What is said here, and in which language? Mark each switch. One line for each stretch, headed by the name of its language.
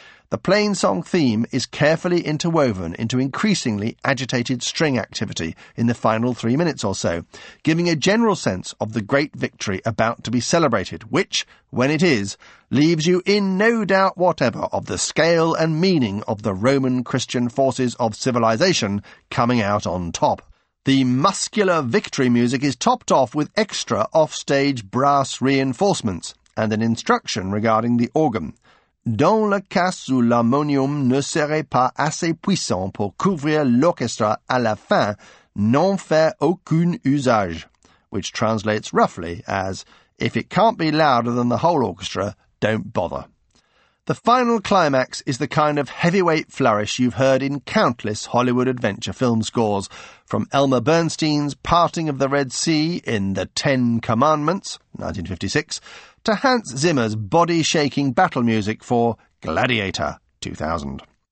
English: The plain song theme is carefully interwoven into increasingly agitated string activity in the final 3 minutes or so, giving a general sense of the great victory about to be celebrated, which, when it is, leaves you in no doubt whatever of the scale and meaning of the Roman Christian forces of civilization coming out on top. The muscular victory music is topped off with extra offstage brass reinforcements and an instruction regarding the organ.
French: Dans le cas où l'harmonium ne serait pas assez puissant pour couvrir l'orchestre à la fin, n'en faire aucun usage,
English: which translates roughly as, if it can't be louder than the whole orchestra, don't bother. The final climax is the kind of heavyweight flourish you've heard in countless Hollywood adventure film scores, from Elmer Bernstein's Parting of the Red Sea in The Ten Commandments, 1956, to Hans Zimmer's body-shaking battle music for Gladiator, 2000.